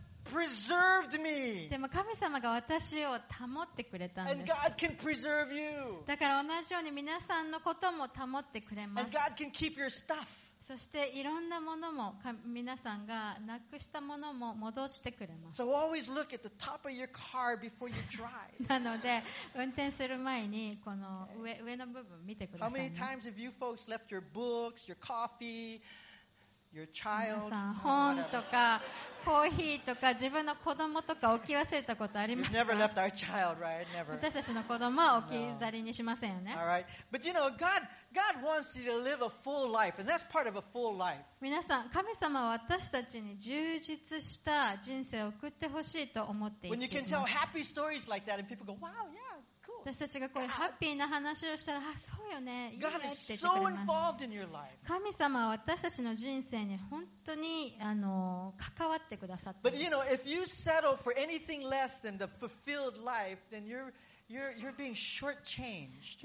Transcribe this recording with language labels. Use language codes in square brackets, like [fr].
[en] Preserved me. [ja] でも神様が私を保ってくれたんです。 [en] And God can preserve you. [ja] だから同じように皆さんのことも保ってくれます。 [en] And God can keep your stuff. [ja] そしていろんなものも皆さんがなくしたものも戻してくれます。 [en] So always look at the top of your car before you drive. [ja] なので運転する前にこの 上の部分見てください、ね。 [en] How many times have you folks left your books, your coffee, your child? [ja] 皆さん本とかコーヒーとか自分の子供とか置き忘れたことありますか？ [en] You've never left our child, right? Never. [ja] 私たちの子供は置き去りにしませんよね。 [en] No. All right. But you know, God wants you to live a full life, and that's part of a full life. [ja] 皆さん、神様は私たちに充実した人生を送ってほしいと思っています。 [en] When you can tell happy stories like that, and people go, "Wow, yeah, cool." [ja] 私たちがこういうハッピーな話をしたら、あ、そうよね、いいねって言ってくれます。 [en] God is so involved in your life. [ja] 神様は私たちの人生に本当にあの関わってくださっています [en] But you know, if you settle for anything less than the fulfilled life, then you're being short-changed.